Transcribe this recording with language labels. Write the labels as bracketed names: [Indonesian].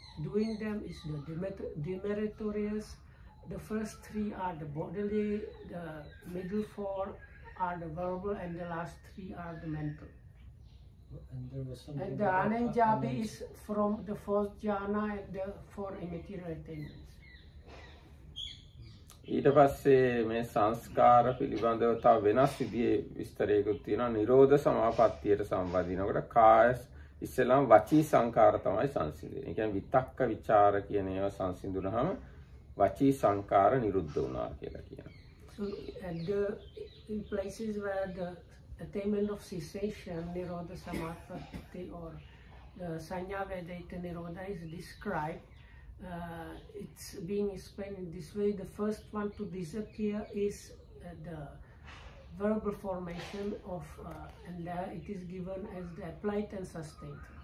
[English] Doing them is the demeritorious. The first 3 are the bodily, the middle 4 are the verbal, and the last 3 are the mental. And there was the Anenjabi is from the 4th jhana, the 4 immaterial attainments. [Sinhala] ඊට පස්සේ මේ සංස්කාර පිළිබඳව තව වෙනස් විදිහේ විස්තරයකුත් තියෙනවා. නිරෝධ සමාපත්තියට සම්බන්ධිනකොට කාය ඉස්සෙල්ලාම වචී සංකාර තමයි සංසිඳෙන්නේ. ඒ කියන්නේ විතක්ක විචාර කියන ඒවා සංසිඳුනහම වචී සංකාර නිරුද්ධ වුණා කියලා කියනවා. [English] So and in places where the attainment of cessation, Nirodha Samapatti, or the Sanya Vedaita Nirodha is described, it's being explained in this way. The first one to disappear is the verbal formation of, and there it is given as the applied and sustained.